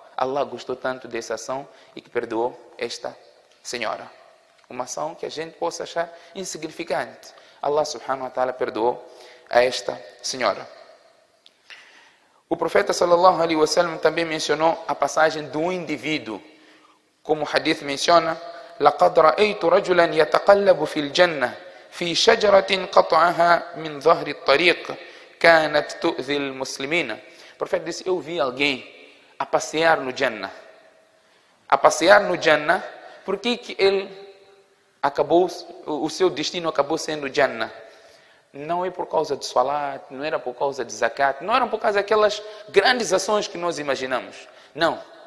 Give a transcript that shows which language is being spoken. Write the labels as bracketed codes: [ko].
[pt] Allah gostou tanto dessa ação e que perdoou esta senhora. Uma ação que a gente possa achar insignificante. Allah subhanahu wa ta'ala perdoou a esta senhora. O profeta sallallahu alaihi wa sallam também mencionou a passagem de um indivíduo. Como o hadith menciona: [ar] لَقَدْ رَأَيْتُ رَجُلًا يَتَقَلَّبُ فِي الْجَنَّةِ فِي شَجَرَةٍ قَطْعَهَا مِنْ ظَهْرِ الطَّرِيقِ كَانَتْ تُؤْذِي الْمُسْلِمِينَ. [pt] O profeta disse: eu vi alguém a passear no Jannah. A passear no Jannah, porque que ele acabou, o seu destino acabou sendo Jannah? Não é por causa de salat, não era por causa de zakat, não era por causa daquelas grandes ações que nós imaginamos. Não.